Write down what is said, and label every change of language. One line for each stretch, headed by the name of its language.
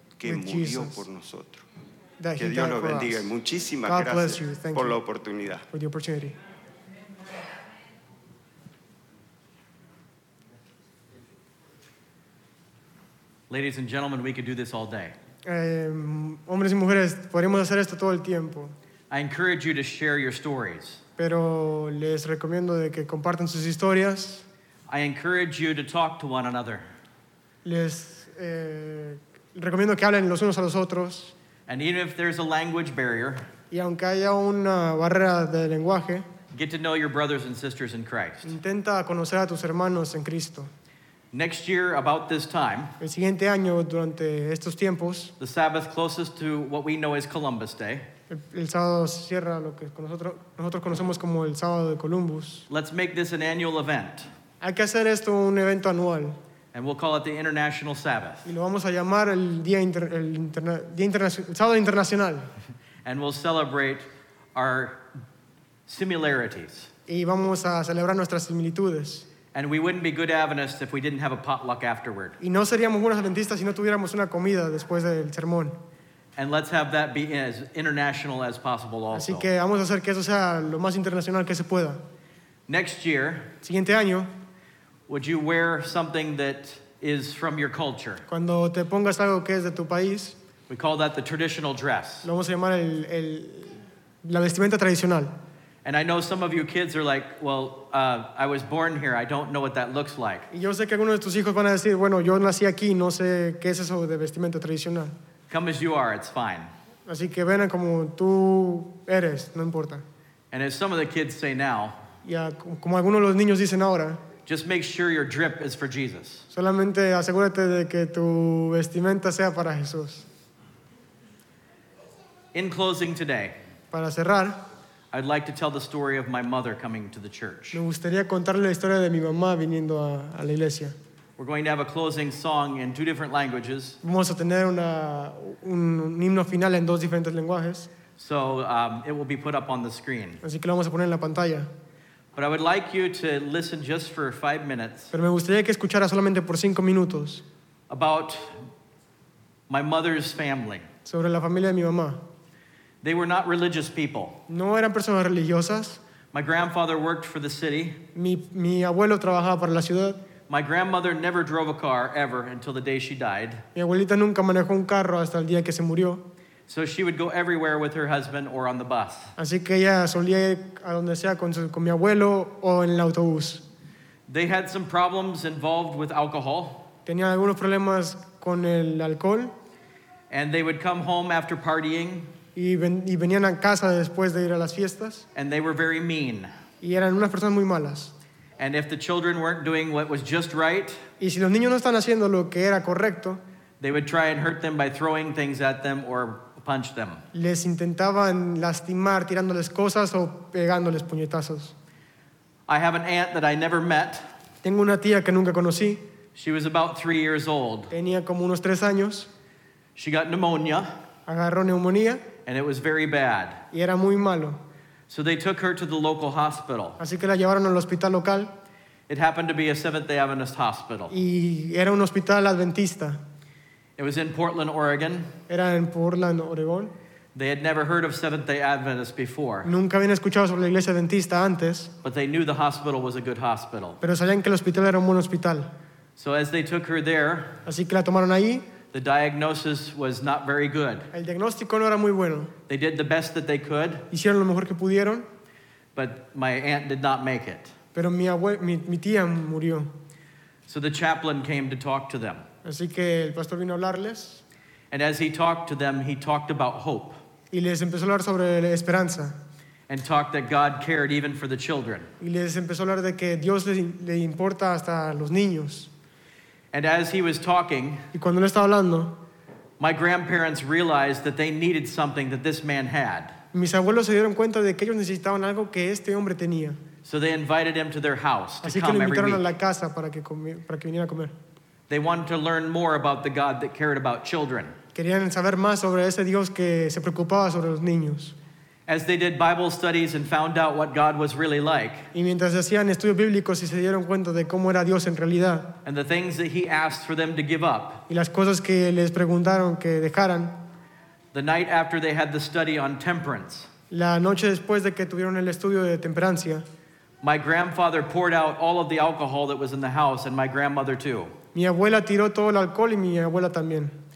Spanish: que
English: with
Spanish: murió Jesus, por nosotros.
English: That
Spanish: que
English: he
Spanish: Dios
English: died
Spanish: lo
English: for
Spanish: bendiga.
English: Us.
Spanish: Muchísimas
English: God
Spanish: gracias
English: bless you. Thank
Spanish: por
English: you
Spanish: la oportunidad.
English: For the opportunity. Ladies and gentlemen, we could do this all day.
Spanish: Hombres y mujeres, podríamos hacer esto todo el tiempo.
English: I encourage you to share your stories.
Spanish: Pero les recomiendo de que compartan sus historias.
English: I encourage you to talk to one another.
Spanish: Les recomiendo que hablen los unos a los otros.
English: And even if there's a language barrier,
Spanish: y aunque haya una barrera de lenguaje,
English: get to know your brothers and sisters in Christ.
Spanish: Intenta conocer a tus hermanos en Cristo.
English: Next year, about this time,
Spanish: el siguiente año, durante estos tiempos,
English: the Sabbath closest to what we know as Columbus Day,
Spanish: el sábado cierra lo que nosotros conocemos como el sábado de Columbus.
English: Let's make this an annual event.
Spanish: Hay que hacer esto un evento anual.
English: And we'll call it the International Sabbath.
Spanish: Y lo vamos a llamar el sábado internacional.
English: And we'll celebrate our similarities.
Spanish: Y vamos a celebrar nuestras similitudes.
English: And we wouldn't be good Adventists if we didn't have a potluck afterward.
Spanish: Y no seríamos buenos adventistas si no tuviéramos una comida después del sermón.
English: And let's have that be as international as possible also.
Spanish: Así que vamos a hacer que eso sea lo más internacional que se pueda.
English: Next year,
Spanish: siguiente año,
English: would you wear something that is from your culture?
Spanish: Cuando te pongas algo que es de tu país,
English: we call that the traditional dress.
Spanish: Lo vamos a llamar la vestimenta tradicional.
English: And I know some of you kids are like, well, I was born here. I don't know what that looks like.
Spanish: Y yo sé que algunos de tus hijos van a decir, bueno, yo nací aquí, no sé qué es eso de vestimenta tradicional.
English: Come as you are, it's fine.
Spanish: Así que ven como tú eres, no importa.
English: And as some of the kids say now,
Spanish: ya, como algunos de los niños dicen ahora,
English: just make sure your drip is for Jesus.
Spanish: Solamente asegúrate de que tu vestimenta sea para Jesús.
English: In closing today,
Spanish: para cerrar,
English: I'd like to tell the story of my mother coming to the church.
Spanish: Me gustaría contarle la historia de mi mamá viniendo a la iglesia.
English: We're going to have a closing song in two different languages.
Spanish: Vamos a tener un himno final en dos diferentes lenguajes.
English: So it will be put up on the screen.
Spanish: Así que lo vamos a poner en la pantalla.
English: But I would like you to listen just for 5 minutes.
Spanish: Pero me gustaría que escuchara solamente por 5 minutos.
English: About my mother's family.
Spanish: Sobre la familia de mi mamá.
English: They were not religious people.
Spanish: No eran personas religiosas.
English: My grandfather worked for the city.
Spanish: Mi abuelo trabajaba para la ciudad.
English: My grandmother never drove a car ever until the day she died.
Spanish: Mi abuelita nunca manejó un carro hasta el día que se murió.
English: So she would go everywhere with her husband or on the bus.
Spanish: Así que ella solía ir a donde sea con mi abuelo o en el autobús.
English: They had some problems involved with alcohol.
Spanish: Tenían algunos problemas con el alcohol.
English: And they would come home after partying.
Spanish: Y venían a casa después de ir a las fiestas.
English: And they were very mean.
Spanish: Y eran unas personas muy malas.
English: And if the children weren't doing what was just right,
Spanish: y si los niños no están haciendo lo que era correcto,
English: they would try and hurt them by throwing things at them or punch them.
Spanish: Les intentaban lastimar tirándoles cosas o pegándoles puñetazos.
English: I have an aunt that I never met.
Spanish: Tengo una tía que nunca conocí.
English: She was about 3 years old.
Spanish: Tenía como unos 3 años.
English: She got pneumonia.
Spanish: Agarró neumonía.
English: And it was very bad.
Spanish: Y era muy malo.
English: So they took her to the local hospital.
Spanish: Así que la llevaron al hospital local.
English: It happened to be a Seventh-day Adventist hospital.
Spanish: Y era un hospital adventista.
English: It was in Portland, Oregon.
Spanish: Era en Portland, Oregon.
English: They had never heard of Seventh-day Adventist before.
Spanish: Nunca habían escuchado sobre la iglesia adventista antes.
English: But they knew the hospital was a good hospital.
Spanish: Pero sabían que el hospital era un buen hospital.
English: So as they took her there,
Spanish: así que la tomaron ahí.
English: The diagnosis was not very good.
Spanish: El diagnóstico no era muy bueno.
English: They did the best that they could.
Spanish: Hicieron lo mejor que pudieron.
English: But my aunt did not make it.
Spanish: Pero mi tía murió.
English: So the chaplain came to talk to them.
Spanish: Así que el pastor vino a hablarles.
English: And as he talked to them, he talked about hope.
Spanish: Y les empezó a hablar sobre la esperanza.
English: And talked that God cared even for the children.
Spanish: Y les empezó a hablar de que Dios le importa hasta los niños.
English: And as he was talking,
Spanish: y cuando él estaba hablando,
English: my grandparents realized that they needed something that this man had.
Spanish: Mis abuelos se dieron cuenta de que ellos necesitaban algo que este hombre tenía.
English: So they invited him to their house
Spanish: así
English: to come
Spanish: lo invitaron
English: every week.
Spanish: A la casa para que viniera a comer.
English: They wanted to learn more about the God that cared about children.
Spanish: Querían saber más sobre ese Dios que se preocupaba sobre los niños.
English: As they did Bible studies and found out what God was really like.
Spanish: Y mientras hacían estudios bíblicos y se dieron cuenta de cómo era Dios en realidad.
English: And the things that he asked for them to give up.
Spanish: Y las cosas que les preguntaron que dejaran.
English: The night after they had the study on temperance.
Spanish: La noche después de que tuvieron el estudio de temperancia.
English: My grandfather poured out all of the alcohol that was in the house and my grandmother too.
Spanish: Mi abuela tiró todo el alcohol y mi abuela también.